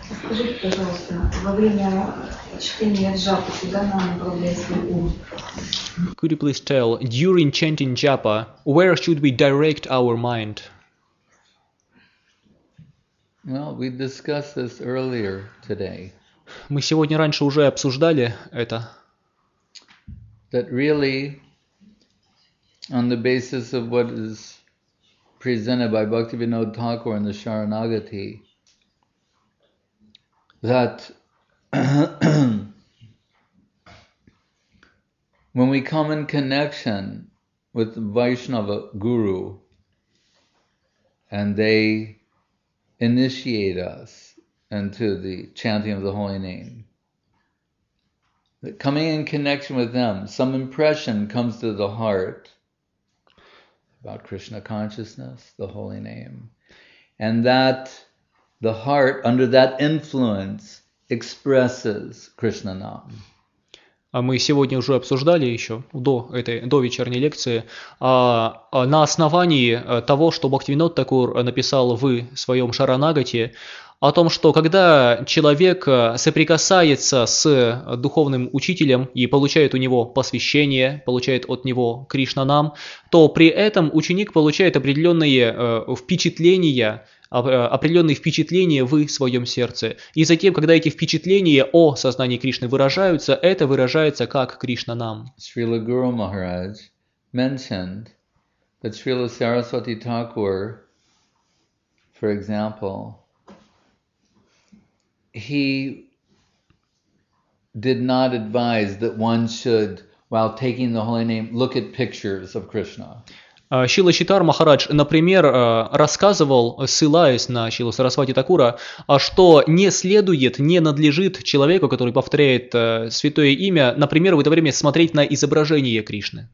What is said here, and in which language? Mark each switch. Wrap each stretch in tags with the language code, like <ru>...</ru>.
<ru>Скажите, пожалуйста, во время чтения джапы куда нам направлять свой ум?</ru> <en>Could you please tell, during chanting japa, where should we direct our mind? Well, we discussed this earlier today.</en> <ru>Мы сегодня раньше уже обсуждали это.</ru> <en>That really, on the basis of what is presented by Bhaktivinoda Thakur in the Sharanagati, that when we come in connection with Vaishnava Guru and they initiate us into the chanting of the holy name, coming in connection with them, some impression comes to the heart about Krishna consciousness, the holy name, and that the heart, under that influence, expresses Krishna Nam.</en> <ru>А мы сегодня уже обсуждали еще до этой до вечерней лекции на основании того, что Бхактивинод Такур написал в своем Шаранагате о том, что когда человек соприкасается с духовным учителем и получает у него посвящение, получает от него Кришнанам, то при этом ученик получает определенные впечатления в своем сердце. И затем, когда эти впечатления о сознании Кришны выражаются, это выражается как Кришнанам.</ru> <en>Srila Guru Maharaj mentioned that Srila Saraswati Thakur, for example, he did not advise that one should, while taking the holy name, look at pictures of Krishna.</en> <ru>Шрила Читар Махарадж, например, рассказывал, ссылаясь на Шрилу Сарасвати Такура, что не следует, не надлежит человеку, который повторяет святое имя, например, в это время смотреть на изображение Кришны.</ru>